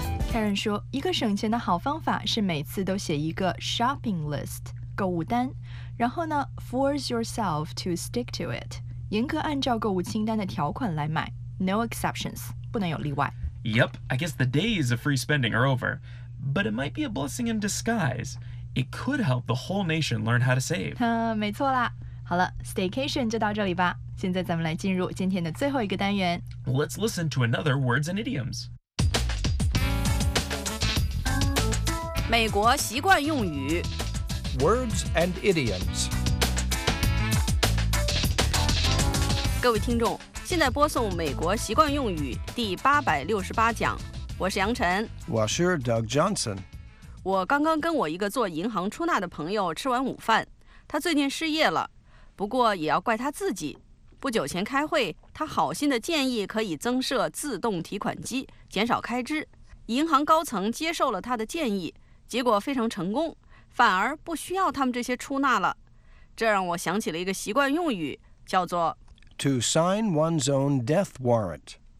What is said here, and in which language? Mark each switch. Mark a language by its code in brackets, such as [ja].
[zh] Karen 说，一个省钱的好方法是每次都写一个 shopping list 购物单，然后呢 [en] force yourself to stick to it， [zh] 严格按照购物清单的条款来买 ， [en] no exceptions， [zh] 不能有例外。 [en] Yep, I guess the days of free spending are over. But it might be a blessing in disguise. It could help the whole nation learn how to save. [zh] 没错啦。好了 ,staycation 就到这里吧。现在咱们来进入今天的最后一个单元。 [en] Let's listen to another Words and Idioms. [zh] 美国习惯用语。 [en] Words and Idioms. [zh] 各位听众现在播送美国习惯用语第868讲，我是杨晨。我是 Doug Johnson。我刚刚跟我一个做银行出纳的朋友吃完午饭，他最近失业了，不过也要怪他自己。不久前开会，他好心的建议可以增设自动提款机，减少开支。银行高层接受了他的建议，结果非常成功，反而不需要他们这些出纳了。这让我想起了一个习惯用语，叫做 [en] To sign one's own death warrant.